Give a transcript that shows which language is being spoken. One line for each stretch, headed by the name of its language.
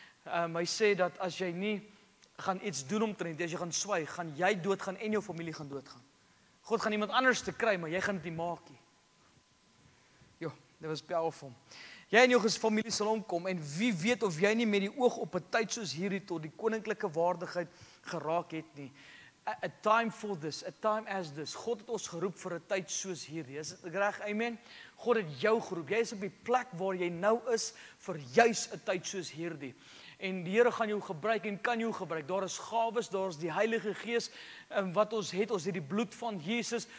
Afrikaans: Hy sê dat as jy nie gaan iets doen omtrent, as jy gaan swyg, gaan jy doodgaan en jou familie gaan doodgaan. God gaan iemand anders te kry, maar jy gaan dit nie maak nie. Jo, dit was powerful. Jy en jou familie sal omkom, en wie weet of jy nie met die oog op 'n tyd soos hierdie tot die koninklike waardigheid geraak het nie.
English: A time for this, a time as this.
Afrikaans: God het ons geroep vir 'n tyd soos hierdie. Is dit reg? Amen. God het jou geroep. Jy is op die plek waar jy nou is vir juis 'n tyd soos hierdie. En die Here gaan jou gebruik en kan jou gebruik. Daar is gawes, daar is die Heilige Gees wat ons het die bloed van Jesus.